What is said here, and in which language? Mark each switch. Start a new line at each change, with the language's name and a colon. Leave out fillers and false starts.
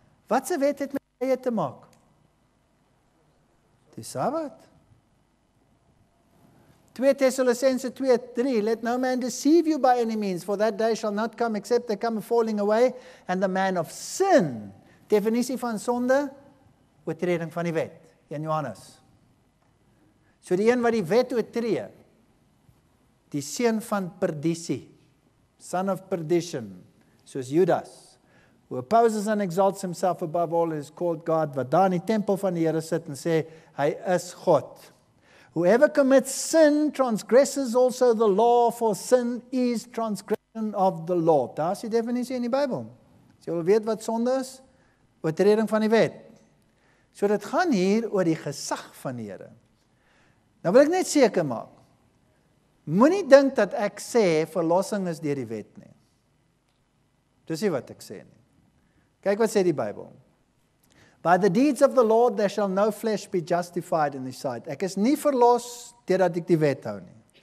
Afrikaans: Wat se wet het met tye te maak? Die Sabbat.
English: 2 Thessalonians 2, 3, let no man deceive you by any means, for that day shall not come except they come falling away, and the man of sin,
Afrikaans: definisie van sonde, oortreding van die wet, in Johannes. So die een wat die wet oortree, die seun van perdisie,
English: son of perdition,
Afrikaans: soos Judas,
English: who opposes and exalts himself above all, is called God,
Afrikaans: wat daar in die tempel van die Here sit en sê, hy is God.
English: Whoever commits sin transgresses also the law, for sin is transgression of the law.
Afrikaans: Daar is die definisie in die Bybel. As jy wil weet wat sonde is, oortreding van die wet. So dit gaan hier oor die gesag van die Here. Nou wil ek net seker maak. Moenie dink dat ek sê verlossing is deur die wet nie. Dis nie wat ek sê nie. Kyk wat sê die Bybel.
English: By the deeds of the Lord there shall no flesh be justified in his sight.
Afrikaans: Ek is nie verlos deurdat ek die wet hou nie.